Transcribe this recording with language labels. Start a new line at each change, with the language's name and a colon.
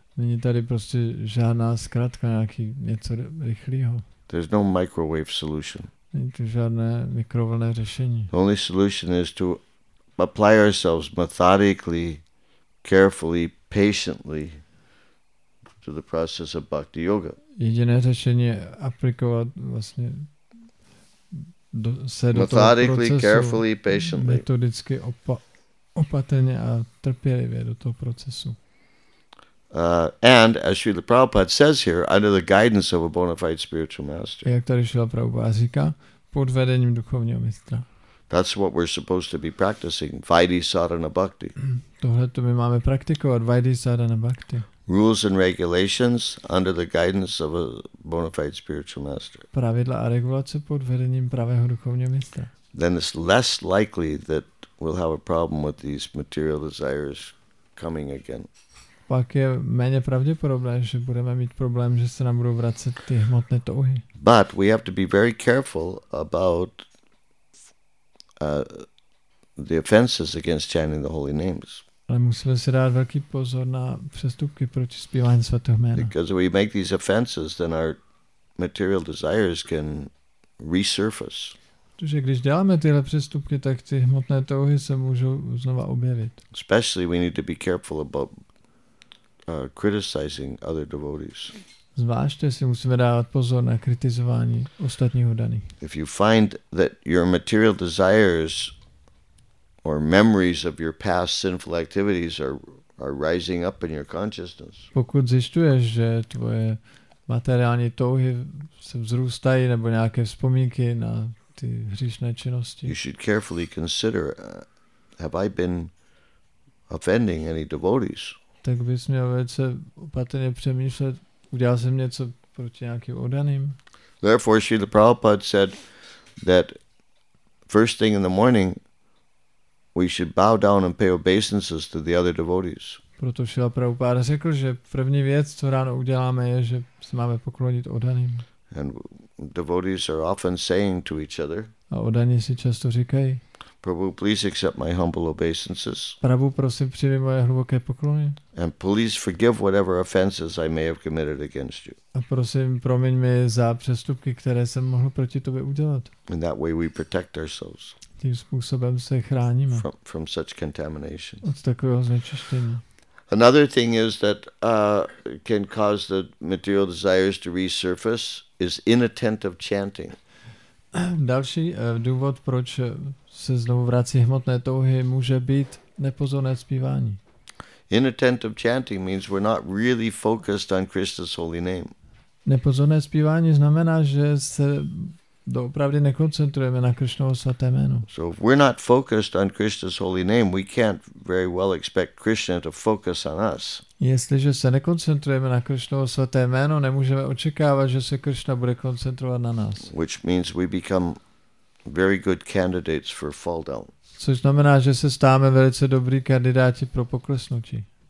Czech: Není tady prostě žádná zkratka, nějaký něco rychlého.
English: There's no microwave solution.
Czech: Není tu žádné mikrovlnné řešení.
English: The only solution is to apply ourselves methodically, carefully, patiently to the process of bhakti yoga.
Czech: Jediné řešení je aplikovat vlastně
English: methodically,
Czech: do toho
English: carefully, patiently.
Czech: Metodicky opatrně a trpělivě do toho procesu.
English: And as Srila Prabhupada says here, under the guidance of a bona fide spiritual master.
Czech: Jak tady Srila Prabhupada říká, pod vedením duchovního mistra.
English: That's what we're supposed to be practicing, vaidhi sadhana bhakti.
Czech: Tohle to my máme praktikovat, vaidhi sadhana bhakti.
English: Rules and regulations under the guidance of a bona fide spiritual master.
Czech: Pravidla a regulace pod vedením pravého duchovního mistra.
English: Then it's less likely that we'll have a problem with these material desires coming again.
Czech: Pak je méně pravděpodobné, že budeme mít problém, že se nám budou vracet ty hmotné touhy.
English: But we have to be very careful about the offenses against chanting the holy names.
Czech: Ale musíme si dát velký pozor na přestupky proti zpívání svatého jména.
English: Because if we make these offenses, then our material desires can resurface.
Czech: Protože když děláme tyhle přestupky, tak ty hmotné touhy se můžou znova objevit.
English: Especially we need to be careful about criticizing other devotees.
Czech: Zvláště si musíme dávat pozor na kritizování ostatních oddaných.
English: If you find that your material desires or memories of your past sinful activities are rising up in your consciousness.
Czech: Pokud zjišťuješ, že tvoje materiální touhy se vzrůstají nebo nějaké vzpomínky na ty hříšné činnosti.
English: You should carefully consider, have I been offending any devotees?
Czech: Tak bys měl velice opatrně přemýšlet, udělal jsem něco proti nějakým oddaným.
English: Therefore, Srila Prabhupada said that first thing in the morning we should bow down and pay obeisances to the other devotees.
Czech: Proto Srila Prabhupada řekl, že první věc, co ráno uděláme, je, že se máme poklonit oddaným.
English: And devotees are often saying to each other.
Czech: A oddaní si často říkají.
English: Prabhu, please accept my humble obeisances.
Czech: Prabhu, prosím, přijmi moje hluboké poklony.
English: And please forgive whatever offenses I may have committed against you.
Czech: A prosím, promiň mi za přestupky, které jsem mohl proti tobě udělat.
English: In that way we protect ourselves.
Czech: Tím způsobem se chráníme.
English: From such contamination.
Czech: Od takového znečištění.
English: Another thing is that can cause the material desires to resurface is inattentive chanting.
Czech: Další důvod, proč se znovu vrací hmotné touhy, může být nepozorné zpívání.
English: Inattentive chanting means we're not really focused on Krishna's holy name.
Czech: Nepozorné zpívání znamená, že se doopravdy nekoncentrujeme na Krišnovo svaté jméno.
English: So if we're not focused on Krishna's holy name, we can't very well expect Krishna to focus on us.
Czech: Jestliže se nekoncentrujeme na Krišnovo svaté jméno, nemůžeme očekávat, že se Krišna bude koncentrovat na nás.
English: Which means we become very good candidates for fall down.
Czech: Což znamená, že se stáváme velice dobrý kandidáti pro poklesnutí.